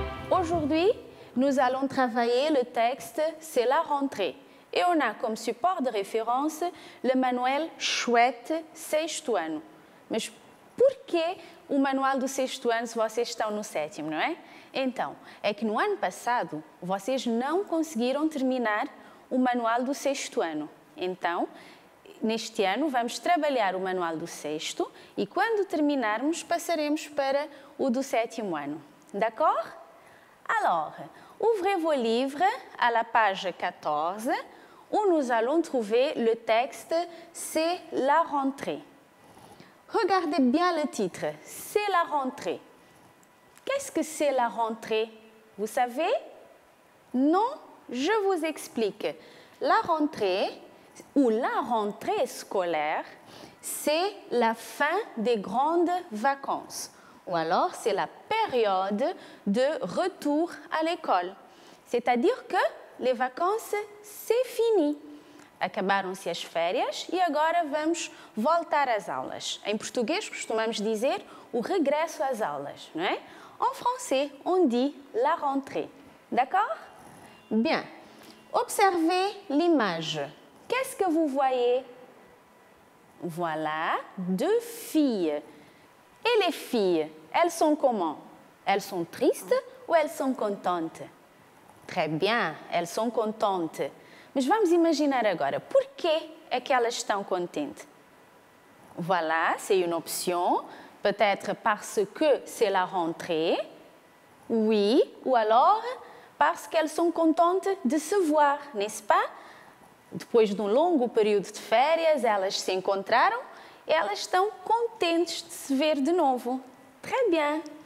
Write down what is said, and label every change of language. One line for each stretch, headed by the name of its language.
French: Aujourd'hui, nous allons travailler le texte « C'est la rentrée ». Et on a comme support de référence le manuel « Chouette, sexto ano ».
Portuguese: Mas por que o manual do sexto ano se vocês estão no sétimo, não é? Então, é que no ano passado, vocês não conseguiram terminar o manual do sexto ano. Então, neste ano, vamos trabalhar o manual do sexto e quando terminarmos, passaremos para o do sétimo ano.
French: D'accord? Alors, ouvrez vos livres à la page 14, où nous allons trouver le texte « C'est la rentrée ». Regardez bien le titre, « C'est la rentrée ». Qu'est-ce que c'est la rentrée? Vous savez? Non, je vous explique. La rentrée, ou la rentrée scolaire, c'est la fin des grandes vacances. Ou alors, c'est la période de retour à l'école. C'est-à-dire que les vacances, c'est fini.
Portuguese: Acabaram-se as férias e agora vamos voltar às aulas. Em português, costumamos dizer o regresso às aulas, não é?
French: En français, on dit la rentrée. D'accord? Bien. Observez l'image. Qu'est-ce que vous voyez? Voilà, deux filles. Et les filles, elles sont comment? Elles sont tristes ou elles sont contentes? Très bien, elles sont contentes.
Portuguese: Mais vamos imaginar agora, por que é que elas estão contentes?
French: Voilà, c'est une option. Peut-être parce que c'est la rentrée. Oui, ou alors parce qu'elles sont contentes de se voir, n'est-ce pas?
Portuguese: Depois
French: d'un long période
Portuguese: de férias,
French: elles
Portuguese: se encontraram
French: et elles sont contentes de se voir de nouveau. Très bien.